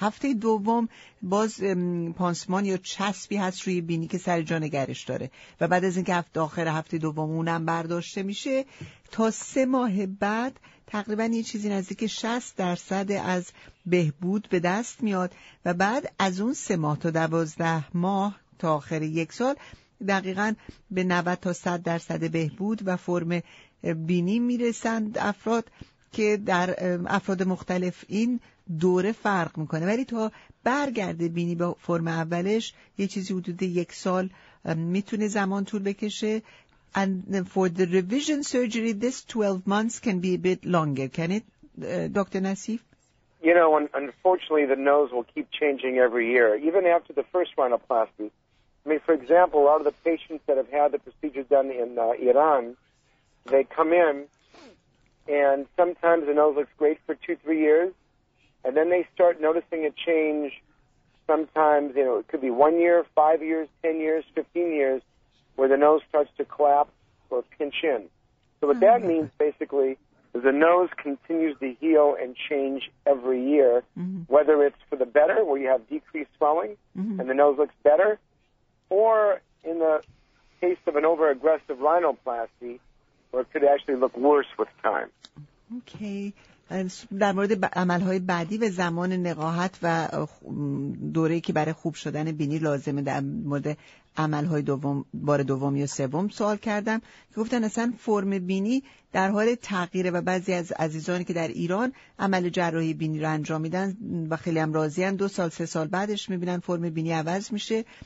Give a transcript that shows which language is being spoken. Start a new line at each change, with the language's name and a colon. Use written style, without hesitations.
Persian: هفته دوم باز پانسمان یا چسبی هست روی بینی که سر جا نگرش داره، و بعد از اینکه هفته آخر هفته دوم اونم برداشته میشه، تا سه ماه بعد تقریبا یه چیزی نزدیک 60% از بهبود به دست میاد، و بعد از اون سه ماه تا 12 ماه تا آخر یک سال دقیقا به 90% تا 100% بهبود و فرم بینی میرسند افراد، که در افراد مختلف این دوره فرق میکنه، ولی تا برگرده بینی به فرم اولش یه چیزی حدود یک سال میتونه زمان طول بکشه.
English: And for the revision surgery, this 12 months can be a bit longer, can it, Dr. Nassif? You know, unfortunately, the nose will keep changing every year, even after the first rhinoplasty. I mean, for example, a lot of the patients that have had the procedure done in Iran, they come in, and sometimes the nose looks great for 2-3 years, and then they start noticing a change. Sometimes, you know, it could be 1 year, 5 years, 10 years, 15 years, where the nose starts to collapse or pinch in. So what that means, basically, is the nose continues to heal and change every year, whether it's for the better, where you have decreased swelling, and the nose looks better, or in the case of an over-aggressive rhinoplasty, or it could actually look worse with time. Okay.
Persian: در مورد عملهای بعدی و زمان نقاهت و دوره‌ای که برای خوب شدن بینی لازمه، در مورد عملهای دوم، بار دوم یا سوم سوال کردم، که گفتن اصلا فرم بینی در حال تغییره، و بعضی از عزیزانی که در ایران عمل جراحی بینی رو انجام میدن و خیلی هم راضین، 2-3 سال بعدش میبینن فرم بینی عوض میشه.